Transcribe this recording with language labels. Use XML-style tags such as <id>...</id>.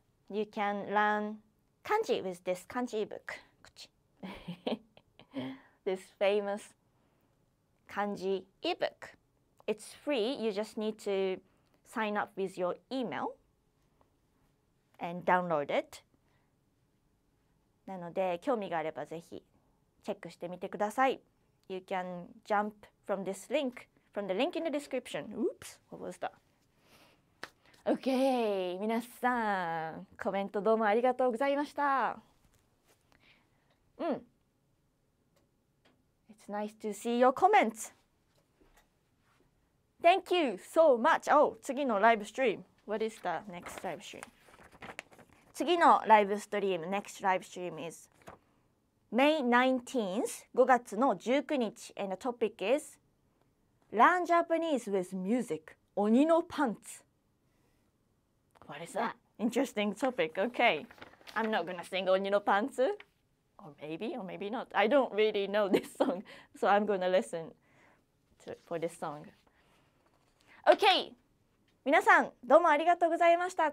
<en>You can learn kanji with this kanji book. This famous kanji ebook. It's free. You just need to sign up with your email and download it.</en> <ja>なので興味があればぜひチェックしてみてください。</ja> <en>You can jump from this link, from the link in the description. Oops, what was that? Okay,</en> <ja>皆さん、コメントどうもありがとうございました。うん。</ja> <en>Nice to see your comments. Thank you so much. Oh,</en> <ja>次のライブストリーム。</ja> <en>What is the next live stream?</en> <ja>次のライブストリーム、</ja> <en>next live stream is May 19th,</en> <ja>5月の19日。</ja> <en>And the topic is Learn Japanese with Music. 鬼のパンツ。What is that? Interesting topic. Okay. I'm not gonna sing 鬼のパンツ。 Or maybe not. I don't really know this song, so I'm going to listen for this song. Okay!</en> <ja>皆さん、どうもありがとうございました。</ja>